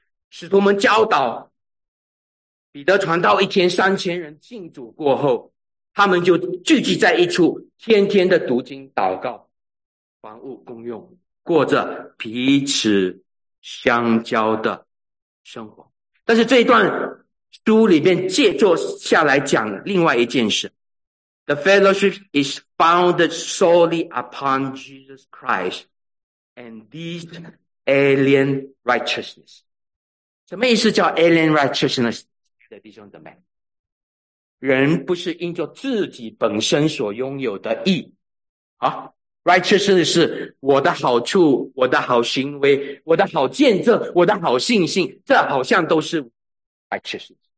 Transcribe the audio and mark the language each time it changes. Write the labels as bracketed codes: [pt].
[zh] 使徒们教导彼得传道，一天3000人信主过后，他们就聚集在一处，天天的读经祷告，房屋共用，过着彼此相交的生活。但是这一段书里面借作下来讲另外一件事， [en] The fellowship is founded solely upon Jesus Christ and this alien righteousness. [zh] 什么意思叫 alien righteousness 的弟兄姊妹？人不是因着自己本身所拥有的义啊，Righteousness 是我的好处，我的好行为，我的好见证，我的好信心，这好像都是 righteousness。